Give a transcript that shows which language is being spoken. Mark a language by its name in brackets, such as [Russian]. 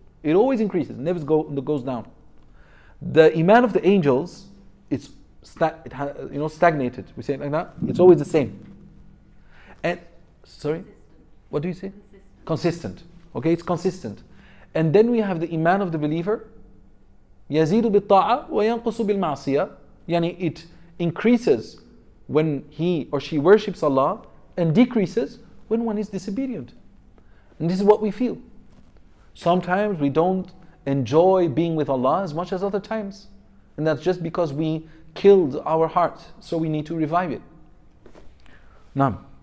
[English] It always increases, never goes down. The iman of the angels, it's stagnated. We say it like that. It's always the same. And sorry, what do you say? Consistent. Okay, it's consistent. And then we have the iman of the believer. [Arabic] يزيد بالطاعة وينقص بالمعصية. يعني [English] it increases when he or she worships Allah, and decreases when one is disobedient. And this is what we feel. Sometimes we don't enjoy being with Allah as much as other times. And that's just because we killed our heart. So we need to revive it. Naam.